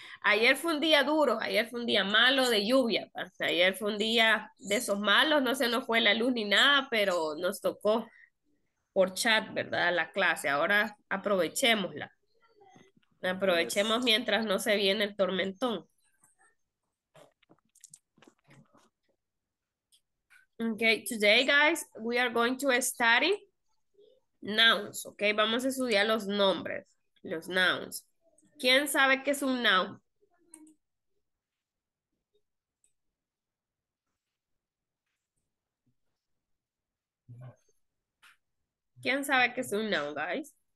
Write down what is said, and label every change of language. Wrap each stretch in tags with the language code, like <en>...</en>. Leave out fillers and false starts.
<es>Ayer fue un día duro, ayer fue un día malo de lluvia. Ayer fue un día de esos malos, no se nos fue la luz ni nada, pero nos tocó por chat, ¿verdad? La clase. Ahora aprovechémosla. Aprovechemos mientras no se viene el tormentón.</es> <en>Okay, today guys, we are going to study nouns, okay?</en> <es>Vamos a estudiar los nombres, los nouns. ¿Quién sabe qué es un noun? ¿Quién sabe qué es un noun, guys?</es>